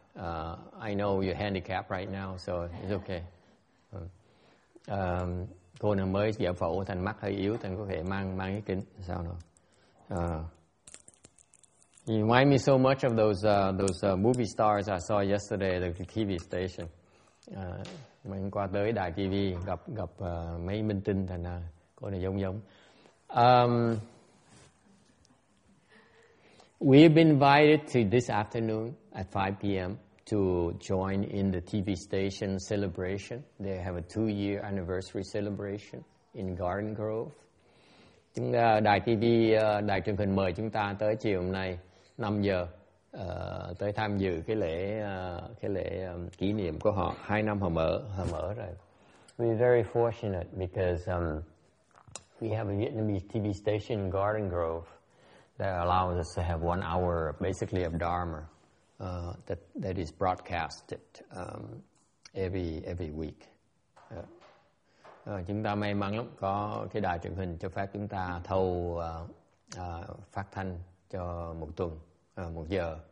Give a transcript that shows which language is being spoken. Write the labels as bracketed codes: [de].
[en] I know you're handicapped right now, so it's okay. [vi] Cô nào mới giải phẫu thành mắt hơi yếu, thành có thể mang cái kính sao nữa. [en] You remind me so much of those movie stars I saw yesterday at the TV station. [vi] Mình qua tới đài TV gặp mấy minh tinh thành cô này giống. [en] We've been invited to this afternoon at 5 p.m. to join in the TV station celebration. They have a two-year anniversary celebration in Garden Grove. [vi] Đài TV, đài truyền hình mời chúng ta tới chiều hôm nay 5 giờ tới tham dự cái lễ kỷ niệm của họ 2 năm họ mở rồi. [en] We're very fortunate because we have a Vietnamese TV station in Garden Grove. That allows us to have 1 hour, basically, of Dharma that is broadcasted every week. [vi] Chúng ta may mắn lắm có cái đài truyền hình cho phép chúng ta thâu phát thanh cho một tuần, một giờ.